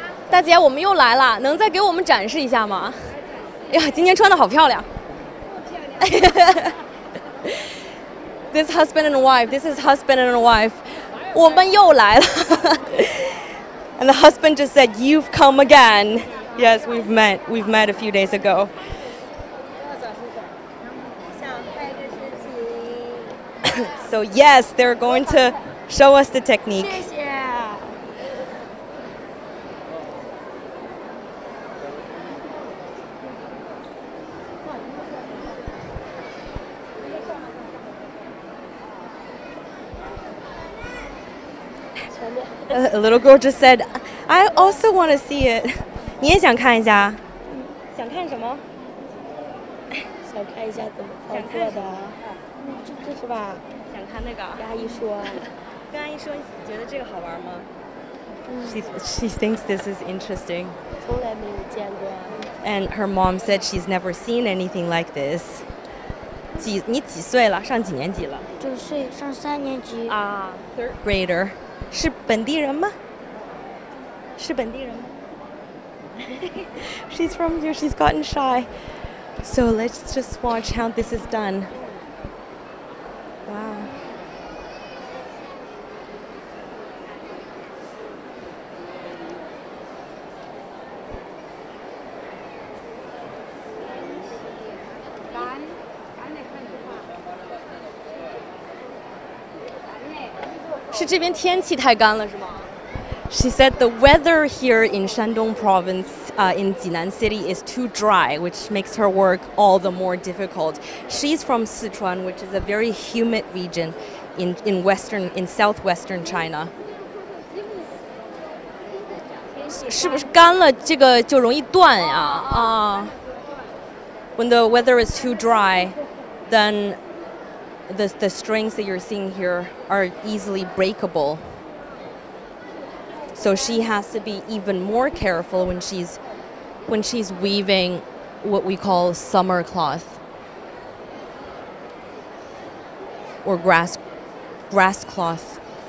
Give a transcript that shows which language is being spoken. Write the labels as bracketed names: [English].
[Chinese] 大姐，我们又来了，能再给我们展示一下吗？哎呀，今天穿的好漂亮。 [English] This husband and wife, this is husband and wife. [Chinese] 我们又来了。 [English] And the husband just said, "You've come again." Yes, we've met a few days ago. So yes, they're going to show us the technique. Thank you. A little girl just said, "I also want to see it." [Chinese] 你也想看一下？想看什么？想看一下怎么操作的，这是吧？想看那个。跟阿姨说，跟阿姨说，你觉得这个好玩吗？ [English] She thinks this is interesting. [Chinese] 从来没有见过。 [English] And her mom said she's never seen anything like this. [Chinese] 你几岁了？上几年级了？九岁，上三年级。啊， [English] third grader， [Chinese] 是本地人吗？是本地人吗？ [English] She's from here. She's gotten shy. So let's just watch how this is done. Wow. Is [Chinese] 这边天气太干了是吗？ [English] She said the weather here in Shandong province, in Jinan City, is too dry, which makes her work all the more difficult. She's from Sichuan, which is a very humid region in southwestern China. [Chinese] 是不是干了这个就容易断呀？ [English] 啊，when the weather is too dry, then the strings that you're seeing here are easily breakable. So she has to be even more careful when she's weaving what we call summer cloth or grass cloth.